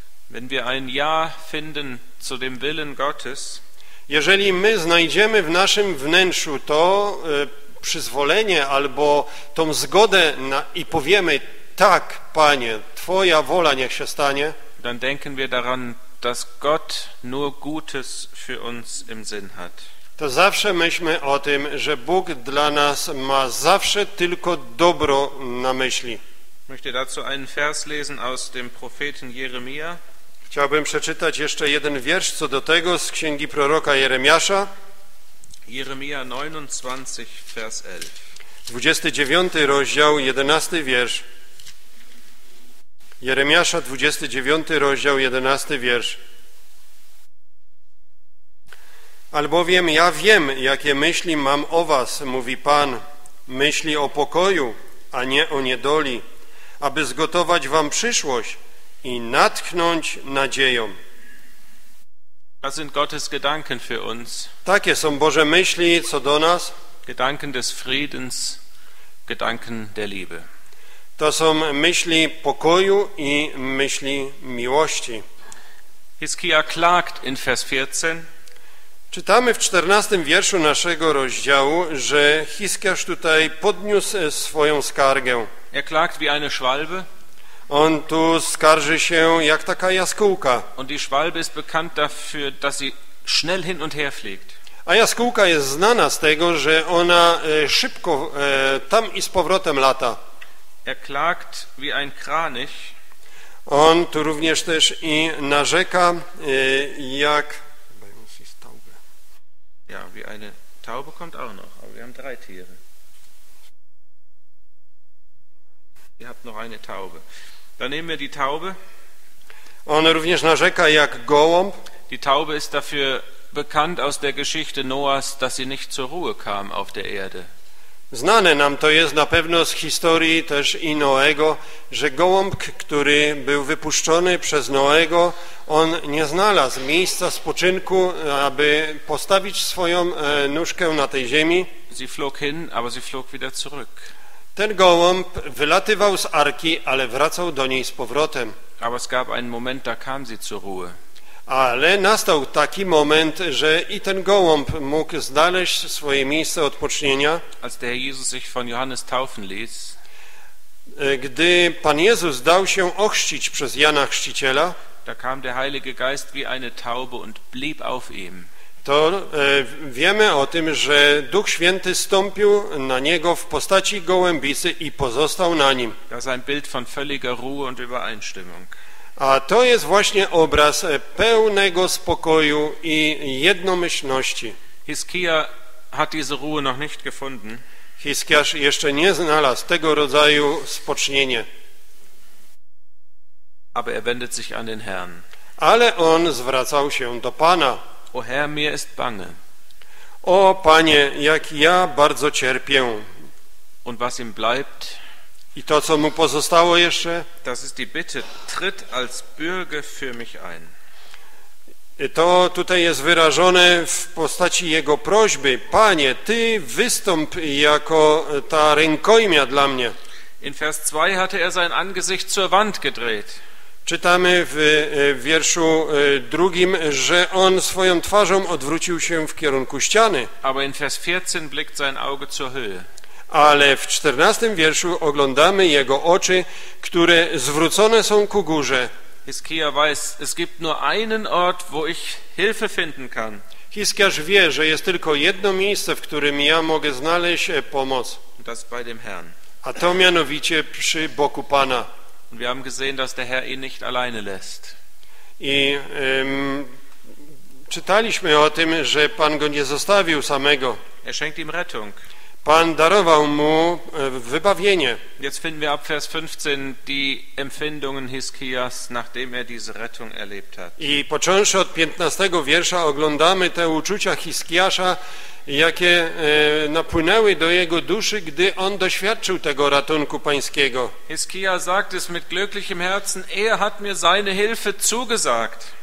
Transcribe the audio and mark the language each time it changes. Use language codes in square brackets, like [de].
[de] Wenn wir ein Ja finden zu dem Willen Gottes, [pl] jeżeli my znajdziemy w naszym wnętrzu to przyzwolenie albo tą zgodę na, i powiemy tak, Panie, Twoja wola niech się stanie, [de] dann denken wir daran, dass Gott nur Gutes für uns im Sinn hat. [pl] To zawsze myślmy o tym, że Bóg dla nas ma zawsze tylko dobro na myśli. [de] Möchte dazu einen Vers lesen aus dem Propheten Jeremia. [pl] Chciałbym przeczytać jeszcze jeden wiersz co do tego z księgi proroka Jeremiasza. [de] Jeremia 29, vers 11. [pl] 29 rozdział, 11 wiersz. Jeremiasza 29 rozdział, 11 wiersz. Albowiem ja wiem, jakie myśli mam o was, mówi Pan, myśli o pokoju, a nie o niedoli, aby zgotować wam przyszłość i natchnąć nadzieją. [de] Das sind Gottes Gedanken für uns. [pl] Takie są Boże myśli co do nas. [de] Gedanken des Friedens, Gedanken der Liebe. [pl] To są myśli pokoju i myśli miłości. [de] Hiskia klagt in Vers 14. [pl] Czytamy w 14 wierszu naszego rozdziału, że Hiskiasz tutaj podniósł swoją skargę. [de] Er klagt wie eine Schwalbe. [pl] On tu skarży się jak taka jaskółka. [de] Und die Schwalbe ist bekannt dafür, dass sie schnell hin und her fliegt. [pl] A jaskółka jest znana z tego, że ona szybko tam i z powrotem lata. [de] Er klagt wie ein Kranich. [pl] On tu również też i narzeka jak [de] ja, wie eine Taube kommt auch noch, aber wir haben drei Tiere. Ihr habt noch eine Taube. Dann nehmen wir die Taube. [pl] On również narzeka jak gołąb. [de] Die Taube ist dafür bekannt aus der Geschichte Noahs, dass sie nicht zur Ruhe kam auf der Erde. [pl] Znane nam to jest na pewno z historii też i Noego, że gołąb, który był wypuszczony przez Noego, on nie znalazł miejsca spoczynku, aby postawić swoją nóżkę na tej ziemi. [de] Sie flog hin, aber sie flog wieder zurück. [pl] Ten gołąb wylatywał z arki, ale wracał do niej z powrotem. [de] Aber es gab einen Moment, da kam sie zur Ruhe. [pl] Ale nastał taki moment, że i ten gołąb mógł znaleźć swoje miejsce odpocznienia. [de] Als der Herr Jesus sich von Johannes taufen ließ, [pl] gdy Pan Jezus dał się ochrzcić przez Jana Chrzciciela, [de] da kam der Heilige Geist wie eine Taube und blieb auf ihm. [pl] To wiemy o tym, że Duch Święty stąpił na niego w postaci gołębicy i pozostał na nim. [de] Das ist ein Bild von völliger Ruhe und Übereinstimmung. [pl] A to jest właśnie obraz pełnego spokoju i jednomyślności. [de] Hiskia hat diese Ruhe noch nicht gefunden. [pl] Hiskiasz jeszcze nie znalazł tego rodzaju spocznienie. [de] Aber er wendet sich an den Herrn. [pl] Ale on zwracał się do Pana. [de] O Herr, mir ist bange. [pl] O Panie, jak ja bardzo cierpię. [de] Und was ihm bleibt? [pl] I to, co mu pozostało jeszcze? [de] Das ist die Bitte, tritt als Bürger für mich ein. [pl] To tutaj jest wyrażone w postaci jego prośby. Panie, ty wystąp jako ta rękojmia dla mnie. [de] In Vers 2 hatte er sein Angesicht zur Wand gedreht. [pl] Czytamy w wierszu drugim, że on swoją twarzą odwrócił się w kierunku ściany. [de] Aber in Vers 14 blickt sein Auge zur Höhe. [pl] Ale w 14 wierszu oglądamy jego oczy, które zwrócone są ku górze. [de] Hiskia weiß, es gibt nur einen Ort, wo ich Hilfe finden kann. [pl] Hiskiasz wie, że jest tylko jedno miejsce, w którym ja mogę znaleźć pomoc. [de] Das bei dem Herrn. [pl] A to mianowicie przy boku Pana. [de] Und wir haben gesehen, dass der Herr ihn nicht alleine lässt. [pl] I czytaliśmy o tym, że Pan go nie zostawił samego. [de] Er schenkt ihm Rettung. [pl] Pan darował mu wybawienie. [de] Jetzt finden wir ab Vers 15 die Empfindungen Hiskias, nachdem er diese Rettung erlebt hat. [pl] I począwszy od 15 wiersza oglądamy te uczucia Hiskiasza, jakie napłynęły do jego duszy, gdy on doświadczył tego ratunku pańskiego. [de] Hiskia sagt es mit glücklichem Herzen, er hat mir seine Hilfe zugesagt.